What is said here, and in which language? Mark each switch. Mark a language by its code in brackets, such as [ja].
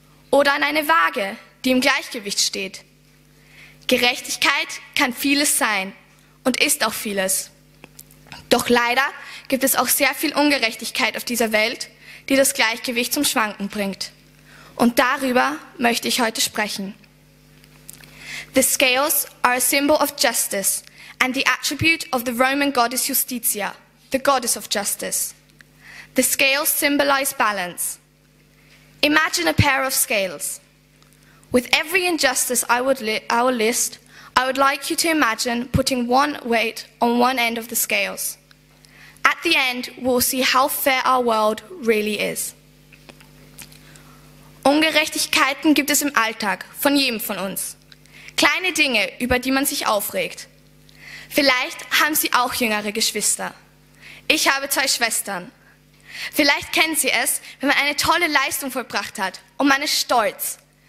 [de] Oder an eine Waage, die im Gleichgewicht steht. Gerechtigkeit kann vieles sein und ist auch vieles. Doch leider gibt es auch sehr viel Ungerechtigkeit auf dieser Welt, die das Gleichgewicht zum Schwanken bringt. Und darüber möchte ich heute sprechen. [en] The scales are a symbol of justice and the attribute of the Roman goddess Justitia, the goddess of justice. The scales symbolize balance. Imagine a pair of scales. With every injustice I would list, I would like you to imagine putting one weight on one end of the scales. At the end, we'll see how fair our world really is. [de] Ungerechtigkeiten gibt es im Alltag von jedem von uns. Kleine Dinge, über die man sich aufregt. Vielleicht haben Sie auch jüngere Geschwister. Ich habe zwei Schwestern. Vielleicht kennen Sie es, wenn man eine tolle Leistung vollbracht hat und man ist stolz.